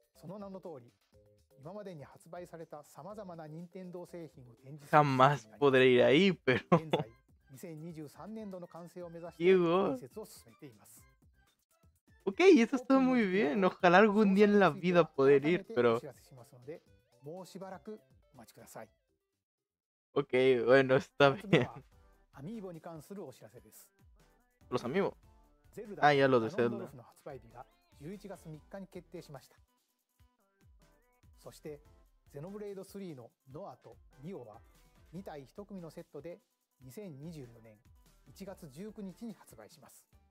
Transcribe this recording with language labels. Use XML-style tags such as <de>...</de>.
<ja>その名の通り、今までに発売された様々な任天堂製品を展示する。</ja> <es>Jamás podré ir ahí, pero</es> <ja>2023年度の完成を目指して建設を進めています。</ja> <es>OK, eso está muy bien. Ojalá algún día en la vida poder ir, pero</es> <ja>もうしばらくお待ちください。</ja> <es>OK, bueno, está bien.</es> <ja>アミーボに関するお知らせです。</ja> <es>Los amigos. ゼルダ、ah, ya lo de Zelda.</es> <ja>の発売日が11月3日に決定しました。そしてゼノブレード3のノアとニオは2体1組のセットで2024年1月19日に発売します。</ja>